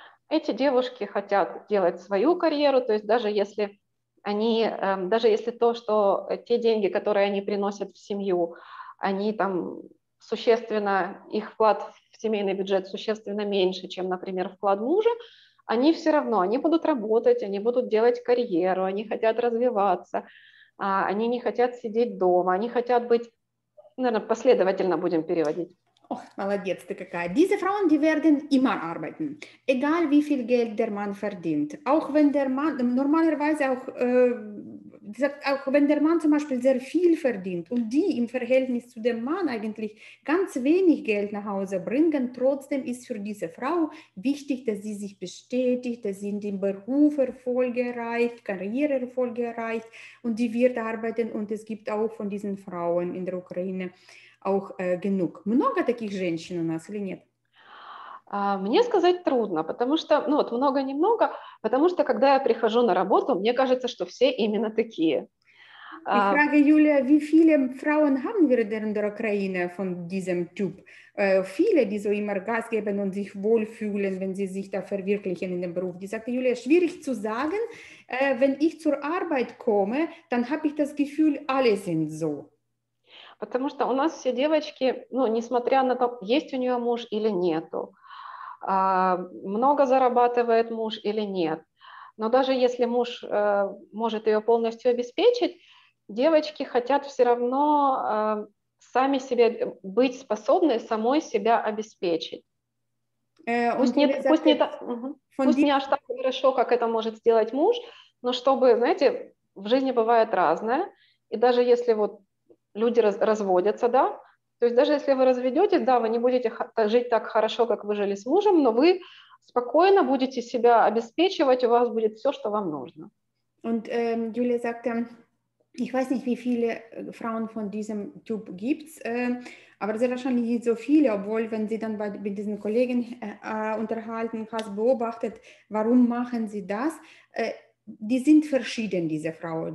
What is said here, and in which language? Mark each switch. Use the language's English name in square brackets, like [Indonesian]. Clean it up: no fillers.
[Russian] Эти девушки хотят делать свою карьеру, то есть даже если они, даже если то, что те деньги, которые они приносят в семью, они там существенно, их вклад в семейный бюджет существенно меньше, чем, например, вклад мужа, они все равно, они будут работать, они будут делать карьеру, они хотят развиваться, они не хотят сидеть дома, они хотят быть, наверное, последовательно будем переводить. Ох, молодец ты какая. [German] Diese Frauen, die werden immer arbeiten. Egal wie viel Geld der Mann verdient. Auch wenn der Mann, normalerweise auch wenn der Mann zum Beispiel sehr viel verdient und die im Verhältnis zu dem Mann eigentlich ganz wenig Geld nach Hause bringen, trotzdem ist für diese Frau wichtig, dass sie sich bestätigt, dass sie in dem Beruf Erfolge erreicht, Karriere Erfolge erreicht und die wird arbeiten und es gibt auch von diesen Frauen in der Ukraine auch genug. [Russian] Много таких женщин у нас или нет? Мне сказать трудно, потому что, ну вот, много-немного, потому что, когда я прихожу на работу, мне кажется, что все именно такие. [German] Ich frage Julia, wie viele Frauen haben wir denn in der Ukraine von diesem Typ? Viele, die so immer Gas geben und sich wohlfühlen, wenn sie sich da verwirklichen in dem Beruf. Die sagte Julia, schwierig zu sagen, wenn ich zur Arbeit komme, dann habe ich das Gefühl, alle sind so. [Russian] Потому что у нас все девочки, ну, несмотря на то, есть у нее муж или нету, много зарабатывает муж или нет. Но даже если муж может ее полностью обеспечить, девочки хотят все равно сами себе быть способны самой себя обеспечить. Пусть не аж так хорошо, как это может сделать муж, но чтобы, знаете, в жизни бывает разное. И даже если вот люди разводятся, да? То есть даже если вы разведетесь, да, вы не будете жить так хорошо, как вы жили с мужем, но вы спокойно будете себя обеспечивать, у вас будет все, что вам нужно. [German] Und Julia sagte, ich weiß nicht, wie viele Frauen von diesem Typ gibt's, aber sehr wahrscheinlich nicht so viele, obwohl, wenn sie dann mit diesen Kollegen unterhalten hast, beobachtet, warum machen sie das, die sind verschieden, diese Frau.